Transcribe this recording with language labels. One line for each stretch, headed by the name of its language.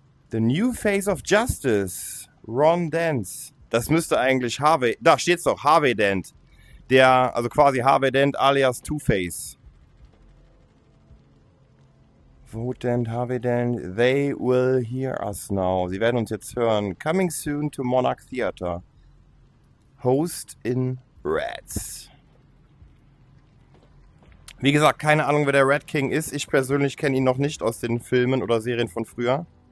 English: The New Face of Justice, Ron Dance.
German: Das müsste eigentlich Harvey, da steht's doch, Harvey Dent. Der, also quasi Harvey Dent alias Two-Face.
English: Vote Dent, Harvey Dent, they will hear us now.
German: Sie werden uns jetzt hören.
English: Coming soon to Monarch Theater. Host in Rats.
German: Wie gesagt, keine Ahnung, wer der Red King ist. Ich persönlich kenne ihn noch nicht aus den Filmen oder Serien von früher.